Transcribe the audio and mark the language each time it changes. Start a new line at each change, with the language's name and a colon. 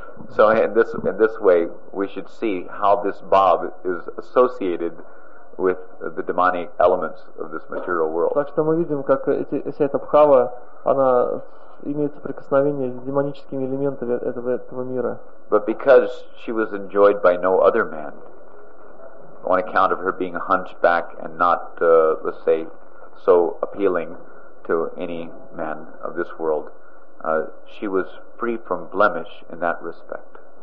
English: So in this way, we should see how this Bhav is associated with the demonic elements of this material world.
Russian: Так что мы видим, как вся эта бхава, она имеет соприкосновение с демоническими элементами этого мира.
English: But because she was enjoyed by no other man, on account of her being a hunchback and not, so appealing to any man of this world, she was free from blemish in that respect.